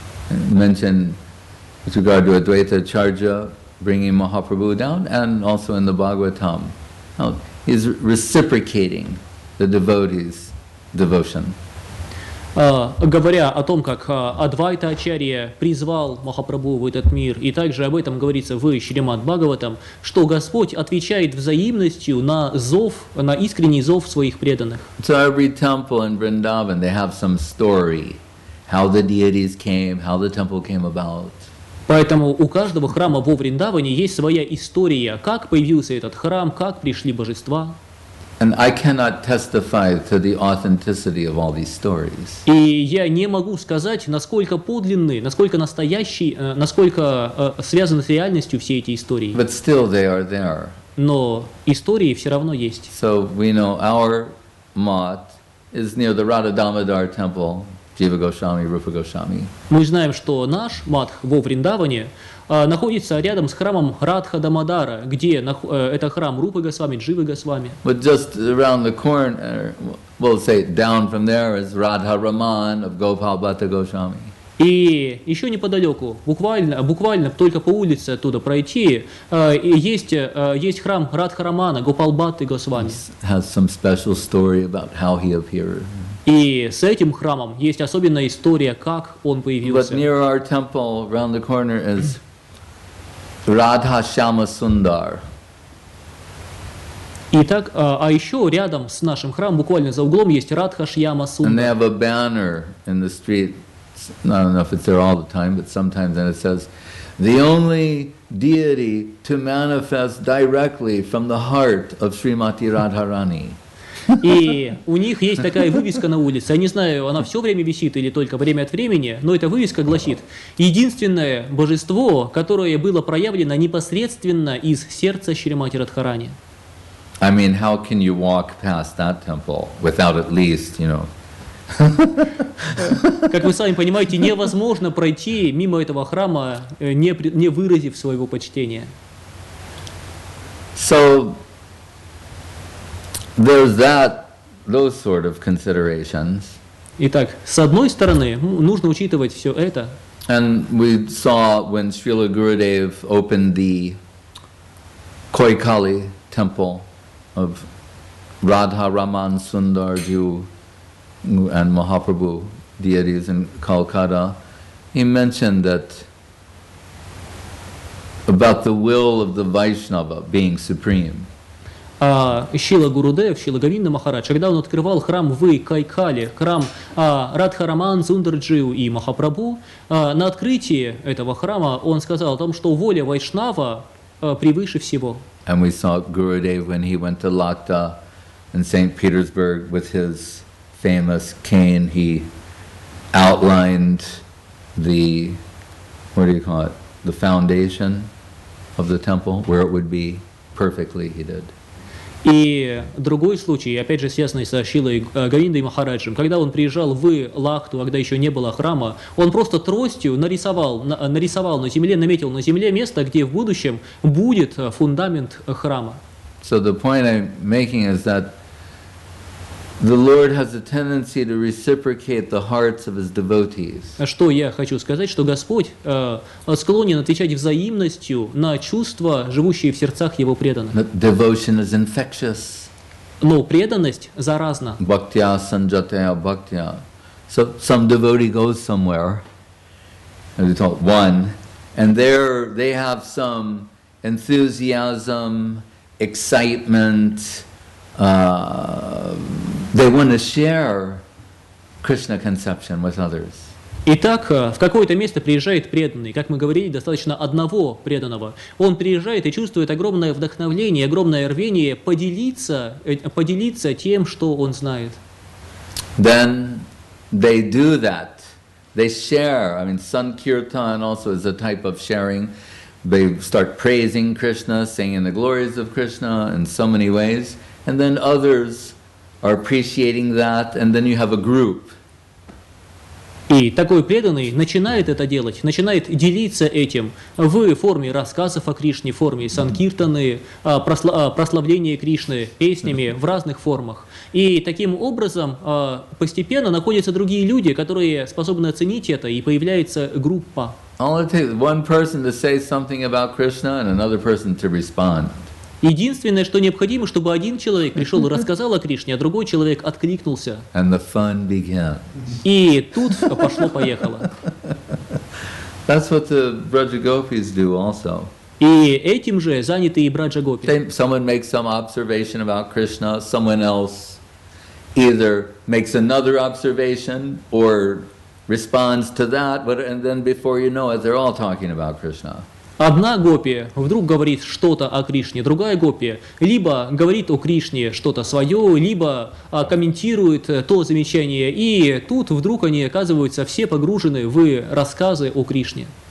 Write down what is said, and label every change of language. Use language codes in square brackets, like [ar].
[en] Mentioned with regard to Advaita Acharya bringing Mahaprabhu down, and also in the Bhagavatam, he's reciprocating the devotee's devotion. [ru] Говоря о том, как Адвайта Ачарья призвал Махапрабху в этот мир, и также об этом говорится в Шримад Бхагаватам, что Господь отвечает взаимностью на зов, на искренний зов своих преданных. [en] So every temple in Vrindavan, they have some story. How the deities came, how the temple came about. [ru] Поэтому у каждого храма во Вриндаване есть своя история, как появился этот храм, как пришли божества. [en] And I cannot testify to the authenticity of all these stories. [ru] И я не могу сказать, насколько подлинны, насколько настоящие, насколько связаны с реальностью все эти истории. [en] But still they are there. [ru] Но истории все равно есть. [en] So we know our mot is near the Radha Damodar temple. Jiva Goswami, Rupa Goswami. [ru] Мы знаем, что наш матх во Вриндаване находится рядом с храмом Радха Дамодара, где это храм Рупы Госвами, Дживы Госвами. [en] But just around the corner, we'll say down from there is Radha Raman of Gopal Bhatta Goswami. [ru] И еще неподалеку, буквально только по улице оттуда пройти, есть храм Радха Рамана, Гопал Бхатты Госвами. [en] Has some special story about how he appeared. [ru] И с этим храмом есть особенная история, как он появился. [en] But near our temple, around the corner, is Radha Shama Sundar. [ru] Итак, а еще рядом с нашим храмом, буквально за углом, есть Радха Шьяма Сундар. [en] And they have a banner in the street. I don't know if it's there all the time, but sometimes, and it says, "The only deity to manifest directly from the heart of Srimati Radharani." [ru] И у них есть такая вывеска на улице. Я не знаю, она все время висит или только время от времени, но эта вывеска гласит: единственное божество, которое было проявлено непосредственно из сердца Шримати Радхарани. [en] I mean, how can you walk past that temple without at least, you know? [ru] Как вы сами понимаете, невозможно пройти мимо этого храма, не выразив своего почтения. [en] So there's that those sort of considerations. [ru] Итак, с одной стороны, нужно учитывать все это. [en] And we saw when Srila Gurudev opened the Koikali temple of Radha Raman Sundarju and Mahaprabhu deities in Calcutta, he mentioned that about the will of the Vaishnava being supreme. [ru] Шрила Гурудев, Шрила Говинда Махарадж, когда он открывал храм в Кайкале, храм Радхараман Сундарджиу и Махапрабху, на открытии этого храма он сказал о том, что воля Вайшнава превыше всего. [en] And we saw Gurudev when he went to Lhota in St. Petersburg with his famous cane, he outlined the, what do you call it, the foundation of the temple, where it would be perfectly, he did. [ru] И другой случай, опять же, связанный со Шрилой Говиндой Махараджем, когда он приезжал в Лхоту, когда еще не было храма, он просто тростью нарисовал на земле, наметил на земле место, где в будущем будет фундамент храма. [en] So the point I'm making is that the Lord has a tendency to reciprocate the hearts of his devotees. [ru] Что я хочу сказать, что Господь склонен отвечать взаимностью на чувства, живущие в сердцах его преданных. [en] But devotion is infectious. [ru] Но преданность заразна. [sa] Bhaktya sanjataya bhaktya. [en] So some devotee goes somewhere, as we told one, and there they have some enthusiasm, excitement, they want to share Krishna conception with others. [ru] Итак, в какое-то место приезжает преданный, как мы говорили, достаточно одного преданного. Он приезжает и чувствует огромное вдохновение, огромное рвение поделиться тем, что он знает. [en] Then they do that. They share. I mean, sankirtan also is a type of sharing. They start praising Krishna, singing the glories of Krishna in so many ways. And then others are appreciating that, and then you have a group. [ru] И такой преданный начинает это делать, начинает делиться этим в форме рассказов о Кришне, в форме санкиртаны, прославления Кришны песнями в разных формах. И таким образом постепенно находятся другие люди, которые способны оценить это, и появляется группа. [en] All it takes one person to say something about Krishna and another person to respond. [ru] Единственное, что необходимо, чтобы один человек пришел и рассказал о Кришне, а другой человек откликнулся. [en] And the fun began. [ru] И тут пошло-поехало. [en] That's what the Brajagopis do also. [ru] И этим же заняты и Браджагопи. [en] Someone makes some observation about Krishna, someone else either makes another observation or responds to that, but and then before you know it, they're all talking about Krishna. [ru] Одна гопи вдруг говорит что-то о Кришне, другая гопи либо говорит о Кришне что-то свое, либо комментирует то замечание, и тут вдруг они оказываются все погружены в рассказы о Кришне.